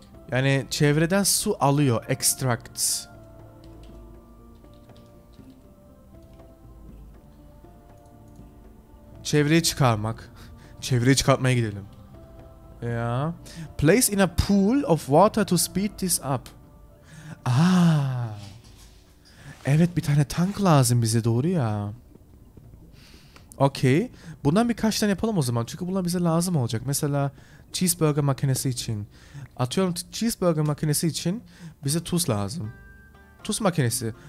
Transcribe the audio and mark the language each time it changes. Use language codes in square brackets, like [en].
[tr] Yani çevreden su alıyor. Extracts. Çevreye çıkarmak. Çevreye çıkartmaya gidelim. Ya. [en] Place in a pool of water to speed this up. Aa. [tr] Evet, bir tane tank lazım bize, doğru ya. Okey. Bundan birkaç tane yapalım o zaman. Çünkü bunlar bize lazım olacak. Mesela cheeseburger makinesi için. Atıyorum, cheeseburger makinesi için bize tuz lazım. Tuz makinesi.